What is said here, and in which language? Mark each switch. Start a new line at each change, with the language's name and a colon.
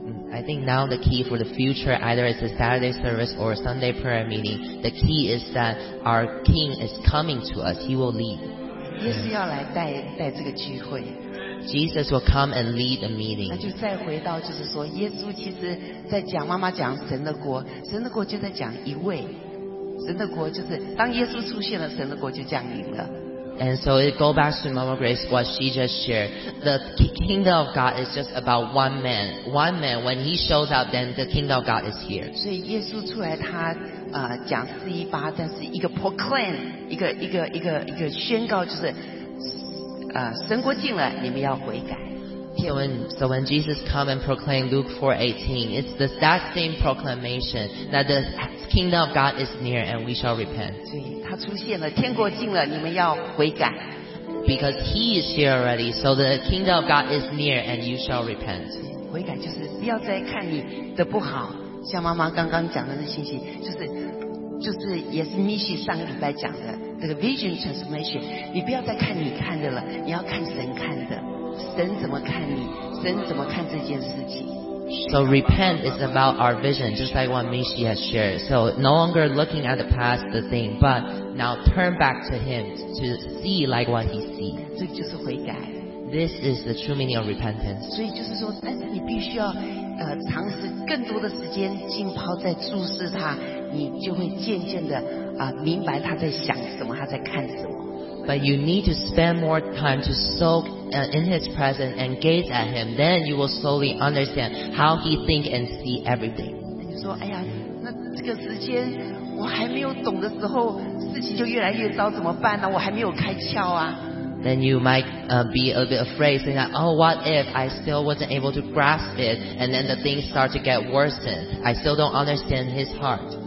English: I think now the key for the future, either it's a Saturday service or a Sunday prayer meeting, the key is that our king is coming to us, he will lead.
Chinese: 耶稣要来带这个聚会。
English: Jesus will come and lead the meeting.
Chinese: 那就再回到就是说，耶稣其实在讲妈妈讲神的国，神的国就在讲一位，神的国就是当耶稣出现了，神的国就降临了。
English: And so it goes back to Mama Grace, what she just shared. The kingdom of God is just about one man. One man, when he shows up, then the kingdom of God is here.
Chinese: 所以耶稣出来他讲418，但是一个 proclaim, 一个宣告就是神国近了，你们要悔改。
English: So when Jesus come and proclaim Luke 4:18, it's the that same proclamation that the kingdom of God is near and we shall repent.
Chinese: 所以他出现了，天国近了，你们要悔改。
English: Because he is here already, so the kingdom of God is near and you shall repent.
Chinese: 悔改就是不要再看你的不好，像妈妈刚刚讲的那信息，就是也是 Michi 上个礼拜讲的这个
English: vision transformation，
Chinese: 你不要再看你看的了，你要看神看的。神怎么看你？神怎么看这件事情
English: ？So repent is about our vision, just like what Michi has shared. So no longer looking at the past, the thing, but now turn back to Him to see like what He sees.
Chinese: 这就是悔改。
English: This is the true meaning of repentance.
Chinese: 所以就是说，但是你必须要尝试更多的时间浸泡在注视他，你就会渐渐的明白他在想什么，他在看什么。
English: But you need to spend more time to soak in His presence and gaze at Him. Then you will slowly understand how He thinks and sees everything.
Chinese: 你说，哎呀，那这个时间我还没有懂的时候，事情就越来越糟，怎么办呢？我还没有开窍啊。
English: Then you might be a bit afraid, saying that, oh, what if I still wasn't able to grasp it, and then the things start to get worse. I still don't understand His heart.